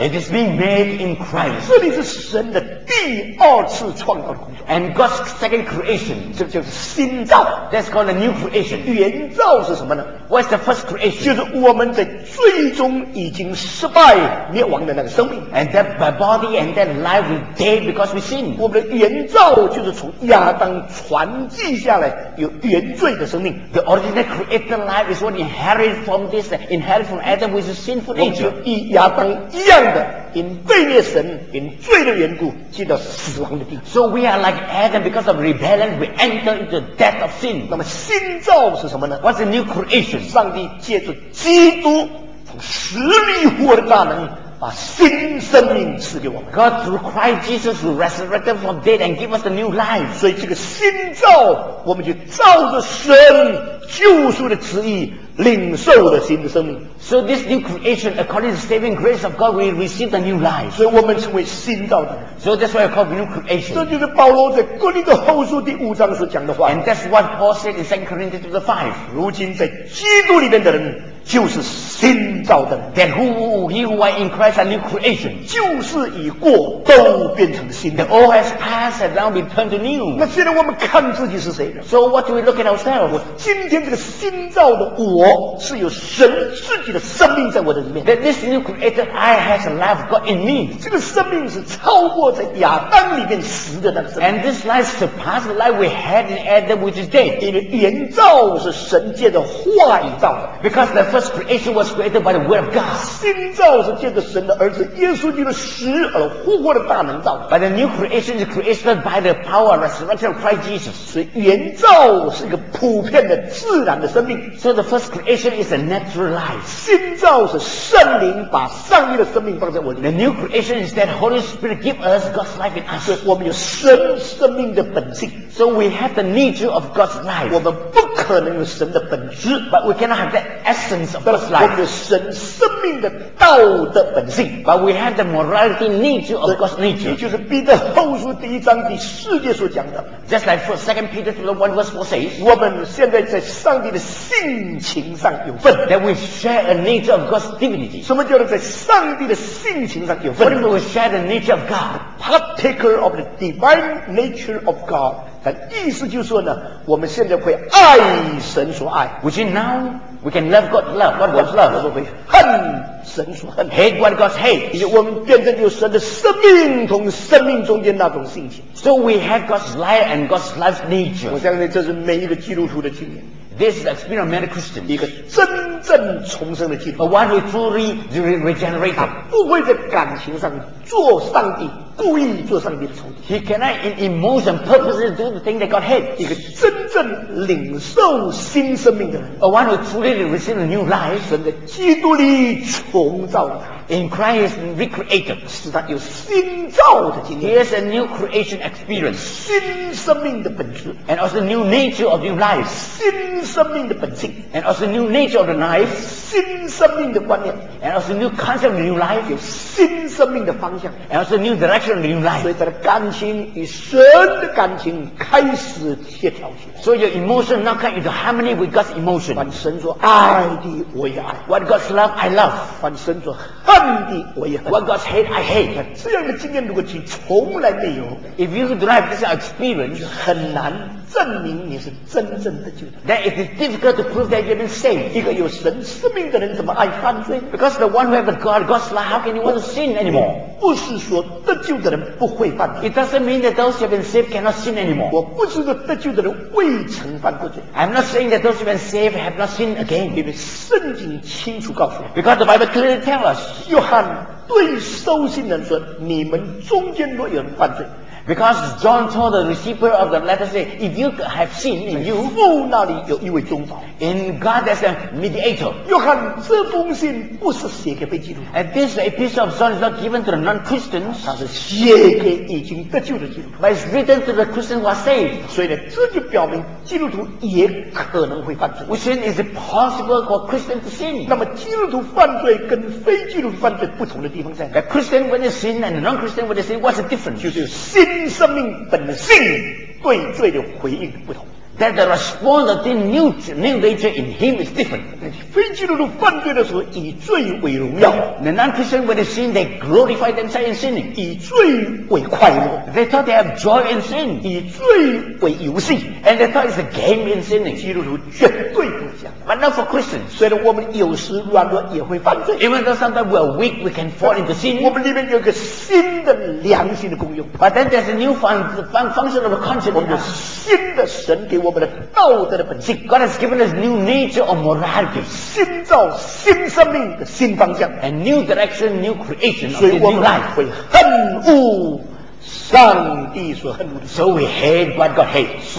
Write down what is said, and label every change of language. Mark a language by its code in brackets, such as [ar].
[en] It is being made in Christ [zh] 这里是神的第二次创造的工作 [en] And God's second creation [zh] 这就是新造 [en] That's called a new creation [zh] 原造是什么呢 [en] What's the first creation [zh] 就是我们的最终已经失败灭亡的那个生命 [en] And that my body and that life we dead because we sin [zh] 我们的原造就是从亚当传记下来有原罪的生命 [en] The original created life is what inherited from this inherited from Adam with a sinful nature [zh] 亚当一样的，因背逆神，因罪的缘故，进到死亡的地。 [en] So we are like Adam because of rebellion, we enter into the death of sin. [zh] 那么新造是什么呢 [en] ？What's a new creation? [zh] 上帝借助基督从死里复活的大能，把新生命赐给我们。 [en] God through Christ Jesus who resurrected from dead and gave us a new life. [zh] 所以这个新造，我们就照着神救赎的旨意。领受了新的生命 [en] So this new creation according to the saving grace of God we receive the new life [zh] 所以我们成为新造的 [en] So that's why we call new creation [zh] 这就是保罗在哥林多后书第五章所讲的话 [en] And that's what Paul said in 2 Corinthians 5 [zh] 如今在基督里面的人就是新造的 [en] Then he who are in Christ are new creation [zh] 就是已过都变成新的 [en] The old has passed and now been turned to new [zh] 那现在我们看自己是谁呢 [en] So what do we look at ourselves [zh] 我今天这个新造的我是有神自己的生命在我的里面 [en] That this new creator I has a life God in me [zh] 这个生命是超过在亚当里面死的那个生命 [en] And this life surpass the life we had in Adam which is dead [zh] 因为原造是神界的话语造的 [en] Because the first creation was created by the word of God [zh] 新造是借着神的儿子耶稣基督死而复活的大能造的 [en] But the new creation is created by the power of resurrection of Christ Jesus [zh] 所以原造是一个普遍的自然的生命 [en] So the first creation is a natural life [zh] 新造是圣灵把上帝的生命放在我里面 [en] The new creation is that Holy Spirit give us God's life in us [zh] 所以我们有神生命的本性 [en] So we have the nature of God's life [zh] 我们不可能有神的本质 [en] But we cannot have that essence of God's life [zh] 我们有神生命的道德本性 [en] But we have the morality nature of God's nature [zh] 也就是彼得后书第一章第四节所讲的 [en] Just like 2 Peter 1 verse 4 says [zh] 我们现在在上帝的性性上有份 [en] That we share a nature of God's divinity [zh] 什么叫做在上帝的性情上有份 [en] What do we share the nature of God Partaker of the divine nature of God [zh] 但意思就是说呢我们现在会爱神所爱 [en] Which is now we can love God's love What God's love [zh] 我们会恨神所恨 [en] Hate what God hates [zh] 因为我们变成有神的生命同生命中间那种性情 [en] So we have God's life and God's love's nature [zh] 我相信这是每一个基督徒的经验 [en] This is the experience of many Christians. [zh] 一个真正重生的基督徒 [en] A one who truly regenerated. [zh] 他不会在感情上做上帝故意做上帝的仇敌。 [en] He cannot in emotion purposely do the thing that God hates. [zh] 一个真正领受新生命的人 [en] ，a one who truly received a new life， [zh] 神在基督里重造了他。 [en] In Christ recreated， [zh] 使他有新造的经历。 [en] He has a new creation experience， [zh] 新生命的本质 [en] ，and also new nature of new life， [zh] 新生命的本性 [en] ，and also new nature of the life， [zh] 新生命的观念 [en] ，and also new concept of new life， [zh] 有新生命的方向 [en] ，and also new direction of new life。 [zh] 所以他的感情与神的感情开始协调起来。 [en] So your emotion now comes into harmony with God's emotion。 [zh] 凡神所爱的，我也爱 [en] ；What God's love, I love。 [zh] 凡神所恨的我也恨。 [en] What God hates, I hate。 [zh] 这样的经验如果你从来没有 [en] ，If you do not have this experience， [zh] 很难证明你是真正的救的。 [en] Then it is difficult to prove that you have been saved。 [zh] 一个有神生命的人怎么爱犯罪 [en] ？Because the one who has God, God's love, how can you want to sin anymore？ [zh] 不是说得救的人不会犯罪。 [en] It doesn't mean that those who have been saved cannot sin anymore。 [zh] 我不是说得救的人未曾犯过罪。 [en] I'm not saying that those who have been saved have not sinned again。 [zh] 因为圣经清楚告诉我。 [en] Because the Bible clearly tells us。 [zh] 约翰对收信人说：“你们中间若有人犯罪 [en] ，Because John told the receiver of the letter say, if you have sinned, in you [zh] 父那里有一位中保 [en] ，in God as a mediator。” [zh] 约翰这封信不是写给被基督徒 [en] ，and this epistle of John is not given to the non-Christians， [zh] 它是写给已经得救的基督徒 [en] ，but it's written to the Christians who are saved。 [zh] 所以呢，这就表明基督徒也可能会犯罪。 [en] Which means is it possible for Christians to sin？ [zh] 那么基督徒犯罪跟非基督徒犯罪不同的地方在哪 [en] ？A Christian when they sin and a non-Christian when they sin, what's the difference？ [zh] 就是新生命本性对罪的回应不同。 [en] That the response of the new nature in him is different. [zh] 非基督徒犯罪的时候以罪为荣耀。 [en] The non-Christian when they sin, they glorify themselves in sinning. [zh] 以罪为快乐。 [en] They thought they have joy in sin. [zh] 以罪为游戏。 [en] And they thought it's a game in sinning. [zh] 基督徒绝对不像。 [en] But not for Christians. [zh] 虽然我们有时软弱也会犯罪。 [en] Even though sometimes we are weak, we can fall into sin. [zh] 我们里面有个新的良心的功用。 [en] But then there's a new function of a conscience. [zh] 我们有新的神给我们的道德的本性 [en] ，God has given us new nature of morality， [zh] 新造新生命的新方向 [en] ，a new direction, new creation， [zh] 所以我们会恨恶上帝所恨恶的 [en] ，so we hate what God hates，